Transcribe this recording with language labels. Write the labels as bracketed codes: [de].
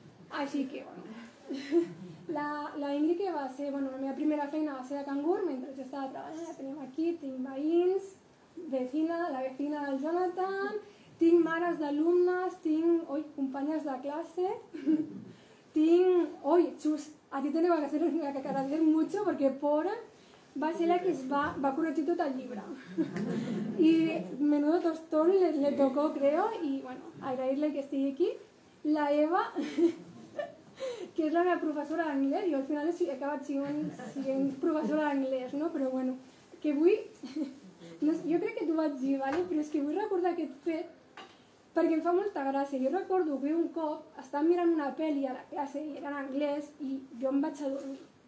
[ca] Així que bueno... La Ingrid, que va ser, bueno, la meva primera feina va ser de cangur, mentre jo estava treballant, ja tenim aquí, tinc veïns, la vecina del Jonathan, tinc mares d'alumnes, tinc, oi, companyes de classe, tinc, oi, Chus, [es] a ti tengo que hacer mucho, porque pobre, [ca] va ser la que es va corregir tot el llibre. I [es] menudo tostón le tocó, creo, [ca] i bueno, agrair-li que estigui aquí. La Eva, que és la meva professora d'anglès, jo al final he acabat sent professora d'anglès, no? Però bueno, que vull... No, jo crec que t'ho vaig dir, ¿vale? Però és que vull recordar aquest fet perquè em fa molta gràcia. Jo recordo que un cop estàvem mirant una pel·li a la classe i era en anglès i jo em vaig adormir.